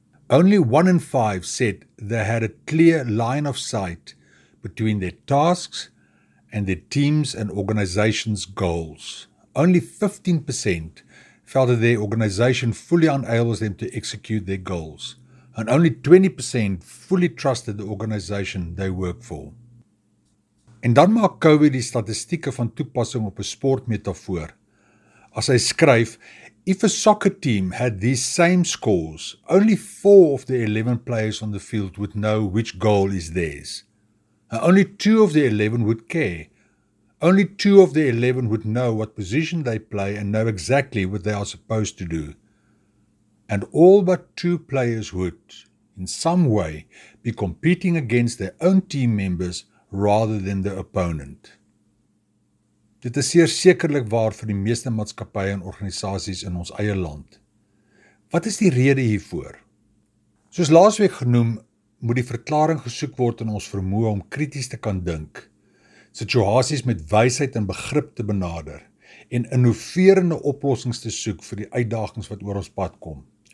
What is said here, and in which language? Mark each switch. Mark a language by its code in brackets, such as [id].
[en] Only 1 in 5 said they had a clear line of sight between their tasks and their teams and organization's goals. Only 15% felt that their organization fully enables them to execute their goals. And only 20% fully trusted the organization they work for." [af] En dan maak Covey die statistieke van toepassing op 'n sportmetafoor. As hy skryf, [en] "If a soccer team had these same scores, only 4 of the 11 players on the field would know which goal is theirs. And only 2 of the 11 would care. Only 2 of the 11 would know what position they play and know exactly what they are supposed to do. And all but 2 players would, in some way, be competing against their own team members rather than their opponent." [af] Dit is seer sekerlik waar vir die meeste maatskappye en organisasies in ons eie land. Wat is die rede hiervoor? Soos laasweek genoem, moet die verklaring gesoek word in ons vermoë om krities te kan dink, situasies met wysheid en begrip te benader en innoverende oplossings te soek vir die uitdagings wat oor ons pad kom.